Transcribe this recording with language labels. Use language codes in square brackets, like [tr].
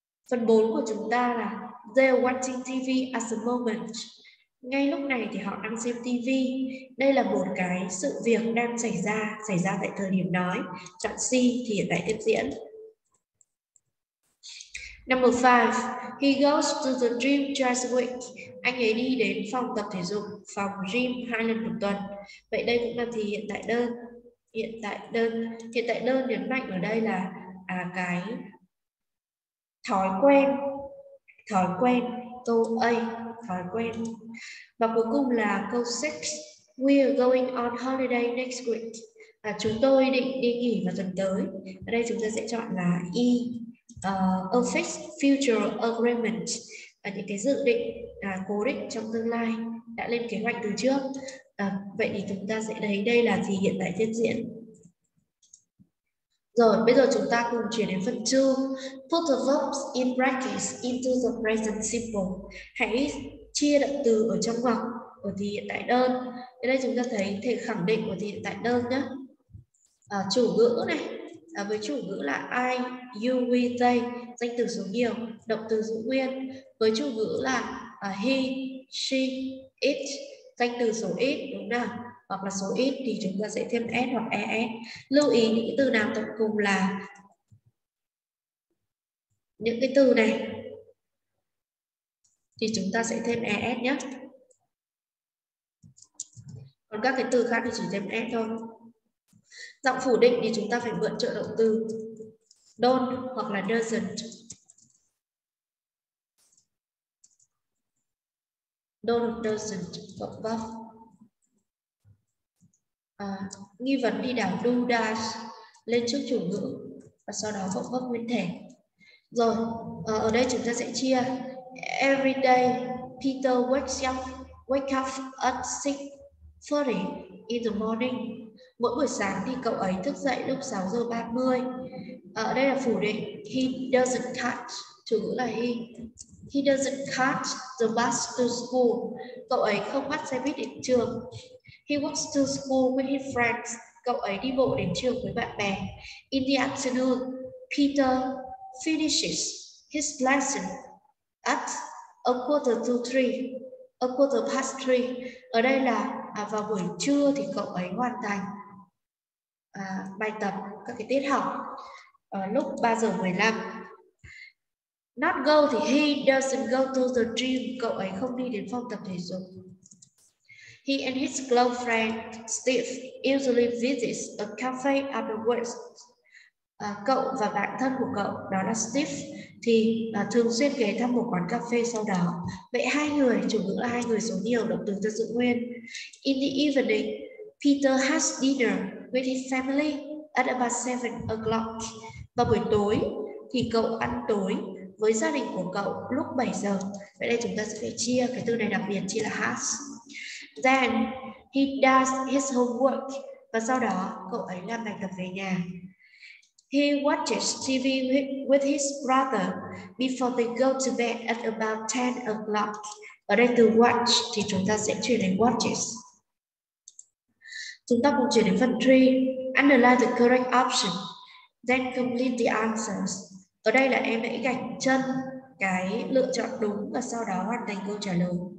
[vi] Phần 4 của chúng ta là [en] they're watching TV at the moment. [vi] Ngay lúc này thì họ đang xem TV. Đây là một cái sự việc đang xảy ra tại thời điểm đó. Chọn C thì hiện tại tiếp diễn. [en] Number 5. He goes to the gym twice a week. [vi] Anh ấy đi đến phòng tập thể dục, phòng gym 2 lần một tuần. Vậy đây cũng là thì hiện tại đơn. Hiện tại đơn. Hiện tại đơn nhấn mạnh ở đây là cái thói quen. Thói quen. Câu A, thói quen. Và cuối cùng là câu 6. [en] We are going on holiday next week. [vi] Chúng tôi định đi nghỉ vào tuần tới. Ở đây chúng ta sẽ chọn là E. [en] A fixed future agreement. [vi] Những cái dự định cố định trong tương lai đã lên kế hoạch từ trước. Vậy thì chúng ta sẽ thấy đây là thì hiện tại tiếp diễn. Rồi, bây giờ chúng ta cùng chuyển đến phần 2. [en] Put the verbs in brackets into the present simple. [vi] Hãy chia động từ ở trong ngoặc của thì hiện tại đơn. Ở đây chúng ta thấy thể khẳng định của thì hiện tại đơn nhé. Chủ ngữ này. Với chủ ngữ là I, you, we, they, danh từ số nhiều, động từ giữ nguyên. Với chủ ngữ là he, she, it, danh từ số ít, đúng không nào? Hoặc là số ít thì chúng ta sẽ thêm s hoặc es. Lưu ý những từ nào tập cùng là những cái từ này thì chúng ta sẽ thêm es nhé. Còn các cái từ khác thì chỉ thêm s thôi. Giọng phủ định thì chúng ta phải mượn trợ động từ don't hoặc là doesn't. Don't, doesn't, cộng vấp. Nghi vấn đi đảo do, does lên trước chủ ngữ và sau đó cộng vấp nguyên thể. Rồi, ở đây chúng ta sẽ chia. [en] Every day Peter wakes up at 6:30 in the morning. [vi] Mỗi buổi sáng thì cậu ấy thức dậy lúc 6:30. Ở đây là phủ định. [en] He doesn't catch. [vi] Chủ ngữ là he. [en] He doesn't catch the bus to school. [vi] Cậu ấy không bắt xe buýt đến trường. [en] He walks to school with his friends. [vi] Cậu ấy đi bộ đến trường với bạn bè. [en] In the afternoon, Peter finishes his lesson at 2:45. A quarter past three. [vi] Ở đây là vào buổi trưa thì cậu ấy hoàn thành bài tập, các cái tiết học ở lúc 3:15. [en] Not go thì he doesn't go to the gym. [vi] Cậu ấy không đi đến phòng tập thể dục. [en] He and his close friend Steve usually visits a cafe afterwards. [vi] Cậu và bạn thân của cậu, đó là Steve, thì thường xuyên ghé thăm một quán cà phê sau đó. Vậy hai người, chủ ngữ là hai người số nhiều, động từ giữ nguyên. [en] In the evening, Peter has dinner with his family at about 7 o'clock. [vi] Vào buổi tối thì cậu ăn tối với gia đình của cậu lúc 7 giờ. Vậy đây chúng ta sẽ phải chia cái từ này đặc biệt, chia là has. [en] Then he does his homework. [vi] Và sau đó cậu ấy làm bài tập về nhà. [en] He watches TV with his brother before they go to bed at about 10 o'clock. [vi] Ở đây từ watch thì chúng ta sẽ chuyển thành watches. Chúng ta cùng chuyển đến phần 3. [en] Underline the correct option. Then complete the answers. [vi] Ở đây là em hãy gạch chân cái lựa chọn đúng và sau đó hoàn thành câu trả lời.